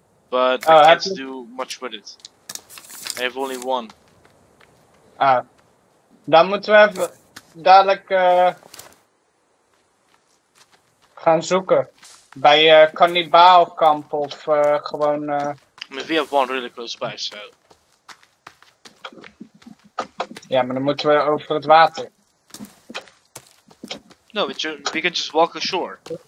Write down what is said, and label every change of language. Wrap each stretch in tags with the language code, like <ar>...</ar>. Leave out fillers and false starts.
<en>But oh, I can't do much with it. I have only one. Ah.</en> <nl>Dan moeten we even dadelijk... gaan zoeken. Bij Cannibaalkamp of gewoon...</nl> <en>I mean, we have one really close by, so...</en> <nl>Ja, maar dan moeten we over het water.</nl> <en>No, but we can just walk ashore.</en>